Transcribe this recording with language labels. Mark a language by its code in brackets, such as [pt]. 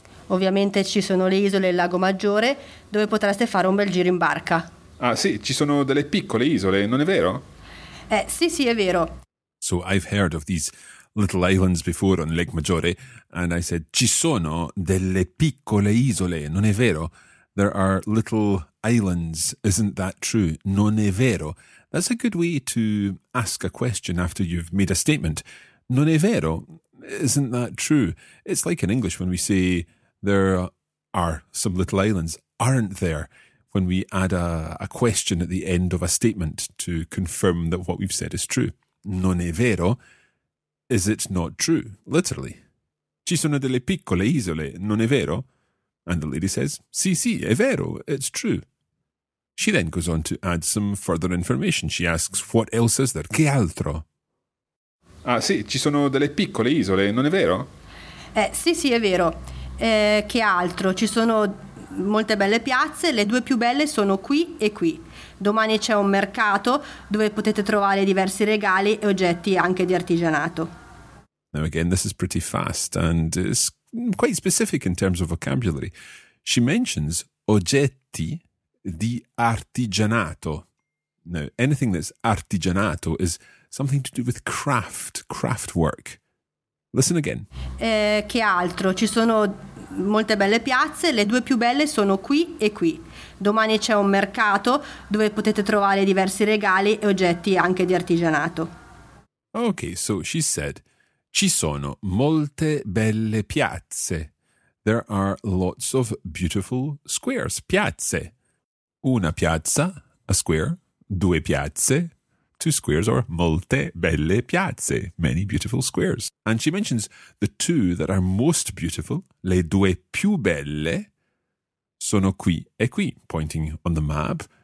[it] Ovviamente ci sono le isole e il Lago Maggiore, dove potreste fare un bel giro in barca. Ah sì, ci sono delle piccole isole, non è vero? Sì, sì, è vero. [en] So I've heard of these little islands before on Lake Maggiore, and I said, [it] ci sono delle piccole isole, non è vero? [en] There are little islands, isn't that true? [it] Non è vero? [en] That's a good way to ask a question after you've made a statement. [it] Non è vero? [en] Isn't that true? It's like in English when we say, there are some little islands, aren't there? When we add a question at the end of a statement to confirm that what we've said is true. [it] Non è vero? [en] Is it not true? Literally. [it] Ci sono delle piccole isole, non è vero? [en] And the lady says, [it] sì, sì, è vero, [en] it's true. She then goes on to add some further information. She asks, what else is there? [it] Che altro? Ah, sì, ci sono delle piccole isole, non è vero? Sì, sì, è vero. Che altro? Ci sono molte belle piazze, le due più belle sono qui e qui. Domani c'è un mercato dove potete trovare diversi regali e oggetti anche di artigianato. [en] Now again, this is pretty fast and it's quite specific in terms of vocabulary. She mentions [it] oggetti di artigianato. [en] Now, anything that's artigianato is something to do with craft work. Listen again. [it] Che altro? Ci sono molte belle piazze, le due più belle sono qui e qui. Domani c'è un mercato dove potete trovare diversi regali e oggetti anche di artigianato. [en] Okay, so she said, [it] ci sono molte belle piazze. [en] There are lots of beautiful squares, piazze. [it] Una piazza, [en] a square, [it] due piazze, [en] two squares, or [it] molte belle piazze, [en] many beautiful squares. And she mentions the two that are most beautiful, [it] le due più belle, sono qui e qui, [en] pointing on the map.